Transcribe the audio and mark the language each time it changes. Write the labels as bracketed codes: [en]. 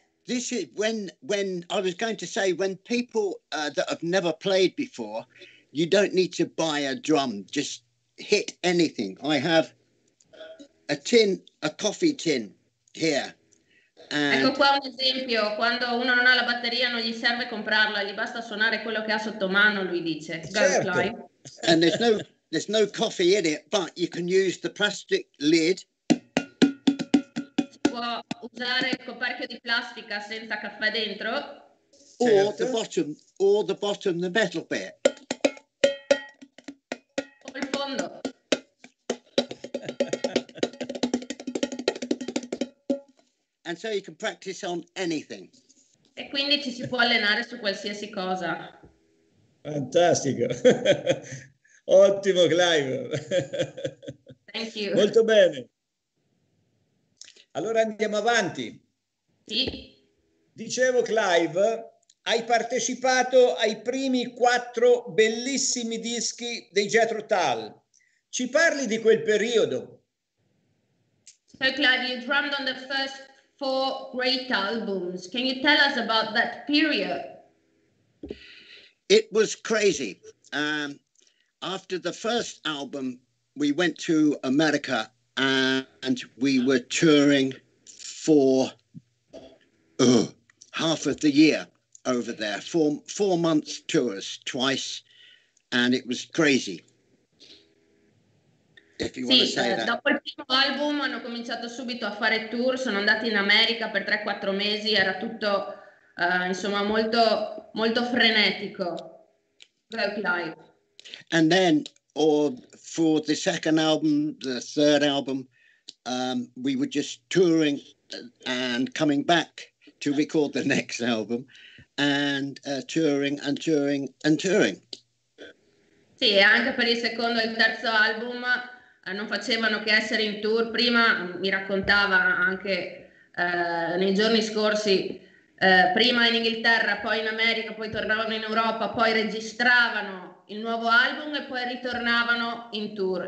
[en] This is when I was going to say, when people that have never played before, you don't need to buy a drum, just hit anything. I have a tin, a coffee tin here. [it] Ecco qua un esempio, quando uno non ha la batteria non gli serve comprarla, gli basta suonare quello che ha sotto mano, lui dice. Certo. [en] And there's no coffee in it, but you can use the plastic lid. [it] Si può usare il coperchio di plastica senza caffè dentro. Certo. [en] Or the bottom, the metal bit. [it] O il fondo. [en] And so you can practice on anything. [it] E quindi ci si può allenare su qualsiasi cosa. Fantastico. Ottimo, Clive. [en] Thank you. [it] Molto bene. Allora andiamo avanti. Sì. Dicevo, Clive, hai partecipato ai primi quattro bellissimi dischi dei Jethro Tull. Ci parli di quel periodo? [en] So, Clive, you drummed on the first four great albums. Can you tell us about that period? It was crazy. After the first album, we went to America and we were touring for half of the year over there. Four months tours, twice, and it was crazy. [it] Sì, dopo il primo album hanno cominciato subito a fare tour, sono andati in America per 3-4 mesi, era tutto insomma molto molto frenetico. [en] And then for the second album, the third album, we were just touring and coming back to record the next album and touring and touring and touring. [it] Sì, anche per il secondo e il terzo album non facevano che essere in tour. Prima mi raccontava anche nei giorni scorsi, prima in Inghilterra, poi in America, poi tornavano in Europa, poi registravano il nuovo album e poi ritornavano in tour.